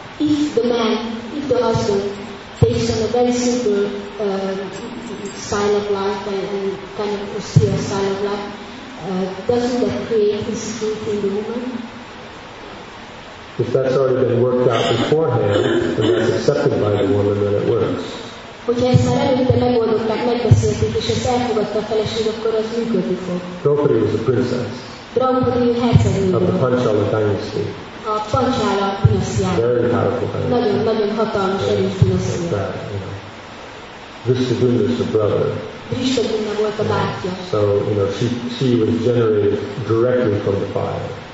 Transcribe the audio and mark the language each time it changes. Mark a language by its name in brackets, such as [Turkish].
[English] If the husband takes on a very simple style of life and kind of austere style of life, doesn't that create insecurity in the woman? If that's already been worked out beforehand and that's accepted by the woman, then it works. [Hungarian] Hogyha ezt már előtte megoldották, megbeszélték, és ezt elfogadta a feleség, akkor az működni fog. [English] Draupadi was a princess. [Hungarian] Draupadi hercegnő. [English] Of the Panchala dynasty. [Hungarian] A Panchala dinasztiája. [English] Very powerful dynasty. [Hungarian] Nagyon, nagyon hatalmas, erős dinasztiája. [English] Vrishabhumna is the brother. [Hungarian] Vrishabhumna volt a bátyja. [English] So, you know, she was generated directly from the fire.